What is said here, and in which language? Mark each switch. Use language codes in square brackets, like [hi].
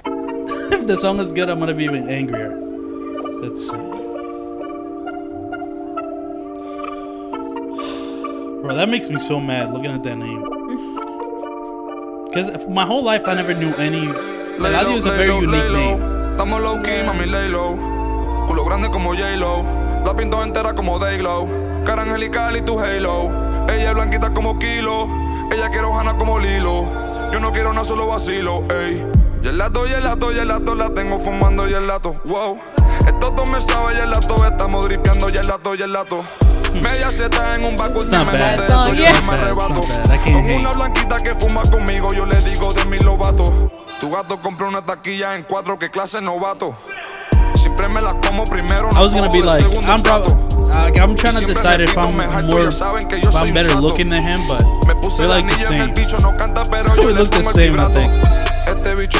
[en] If the song is good, I'm gonna be even angrier. Let's see. Bro, that makes me so mad looking at that name. Cause my whole life I never knew any. Eladio is a very unique name. [es] Estamos low key, mami lay low. Culo grande como J-Lo. La pinto entera como Day-Lo. Cara angelical y tu halo. Ella es blanquita como Kilo, ella quiere hojana como Lilo. Yo no quiero nada, solo vacilo, ey. Gelato, gelato, gelato, la tengo fumando gelato, wow. Esto todo me sabe gelato, estamos dripeando gelato, gelato. Media seta en un vacuo, si me monte eso, yo no me arrebato. Con una blanquita que fuma conmigo, yo le digo de mi lobato. Tu gato compró una taquilla en cuatro, que clase novato. [en] I was gonna be like, I'm trying to decide if I'm better looking than him, but we're like the same. So we look the same, I think.